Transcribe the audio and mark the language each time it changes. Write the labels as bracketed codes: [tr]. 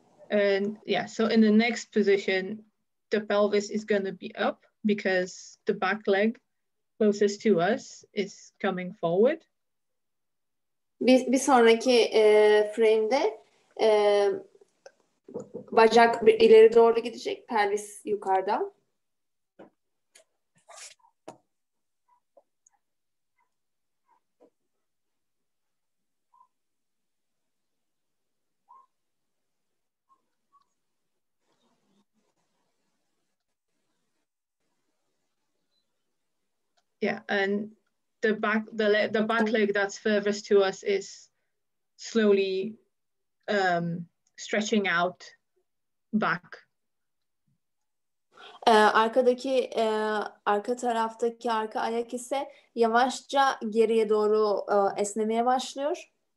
[en] And yeah, so in the next position, the pelvis is going to be up because the back leg closest to us is coming forward. [tr] Bir sonraki frame'de bacak ileri doğru gidecek, pelvis yukarıda. [en] Yeah, and the back leg that's furthest to us is slowly stretching out back. [tr] Arka taraftaki arka ayak ise yavaşça geriye doğru esnemeye başlıyor.